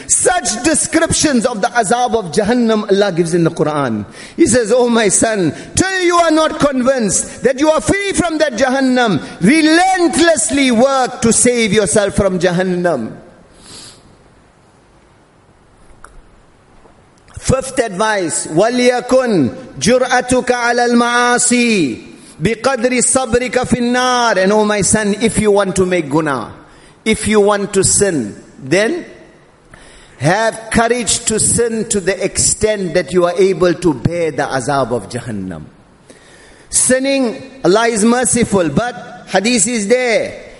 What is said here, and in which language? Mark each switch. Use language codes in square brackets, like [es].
[en] Such descriptions of the azab of Jahannam Allah gives in the Quran. He says, oh my son, till you are not convinced that you are free from that Jahannam, relentlessly work to save yourself from Jahannam. Fifth advice, [ar] وَلْيَكُنْ جُرْأَتُكَ عَلَى الْمَعَاصِي بِقَدْرِ صَبْرِكَ فِي النَّارِ. [en] And oh my son, if you want to make guna, if you want to sin, then have courage to sin to the extent that you are able to bear the azab of Jahannam. Sinning, Allah is merciful, but hadith is there.